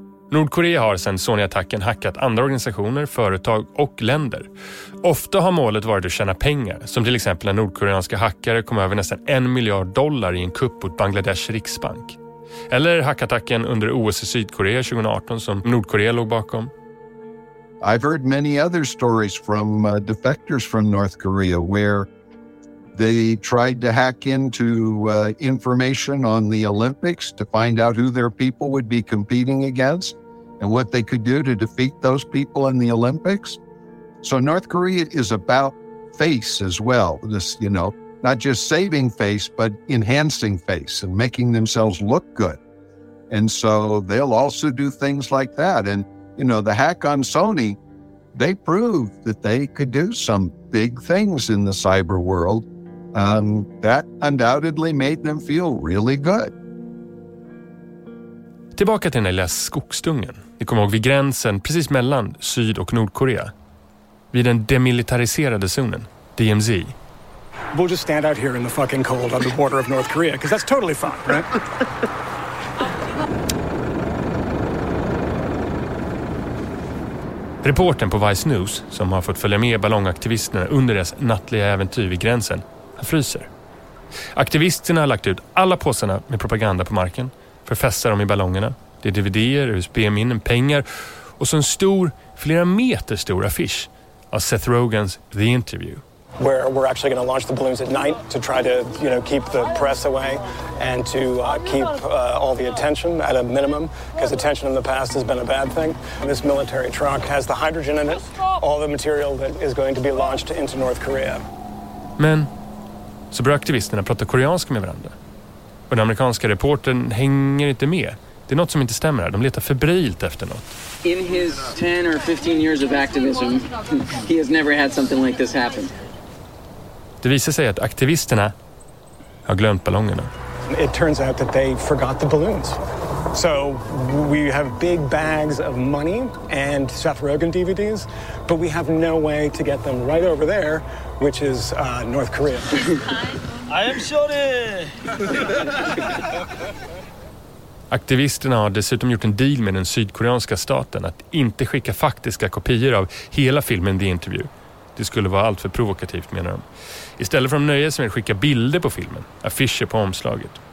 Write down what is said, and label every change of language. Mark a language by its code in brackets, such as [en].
[sv] Nordkorea har sedan Sony-attacken hackat andra organisationer, företag och länder. Ofta har målet varit att tjäna pengar, som till exempel när nordkoreanska hackare kom över nästan $1 miljard i en kupp mot Bangladesh Riksbank. Eller hackattacken under OS i Sydkorea 2018 som Nordkorea låg bakom. [en] I've heard many other stories from defectors from North Korea where they tried to hack into information on the Olympics to find out who their people would be competing against and what they could do to defeat those people in the Olympics. So North Korea is about face as well. This, you know, not just saving face, but enhancing face and making themselves look good. And so they'll also do things like that. And, you know, the hack on Sony, they proved that they could do some big things in the cyber world. That undoubtedly made them feel really good. [sv] Tillbaka till den där skogsdungen. Ni kommer ihåg vid gränsen precis mellan Syd- och Nordkorea. Vid den demilitariserade zonen, DMZ. [en] We'll just stand out here in the fucking cold on the border of North Korea, because that's totally fine, right? [sv] Reporten på Vice News, som har fått följa med ballongaktivisterna under deras nattliga äventyr vid gränsen, fryser. Aktivisterna har lagt ut alla påsarna med propaganda på marken, förfästar dem i ballongerna. Det är DVD-er, USB-minnen, pengar och så en stor, flera meter stor affisch av Seth Rogans The Interview. [en] Where we're actually going to launch the balloons at night to try to, you know, keep the press away and to keep all the attention at a minimum, because attention in the past has been a bad thing. And this military truck has the hydrogen in it, all the material that is going to be launched into North Korea. [sv] Men så börjar aktivisterna prata koreanska med varandra. Och den amerikanska reportern hänger inte med. Det är något som inte stämmer här. De letar febrilt efter något. [en] In his 10 or 15 years of activism, he has never had something like this happen. [sv] Det visar sig att aktivisterna har glömt ballongerna. [en] It turns out that they forgot the balloons. So we have big bags of money and Seth Rogen DVDs, but we have no way to get them right over there, which is North Korea. I am sorry. [sv] Aktivisterna har dessutom gjort en deal med den sydkoreanska staten att inte skicka faktiska kopior av hela filmen The Interview. Det skulle vara allt för provokativt, menar de. Istället för de nöjer sig med att skicka bilder på filmen, affischer på omslaget.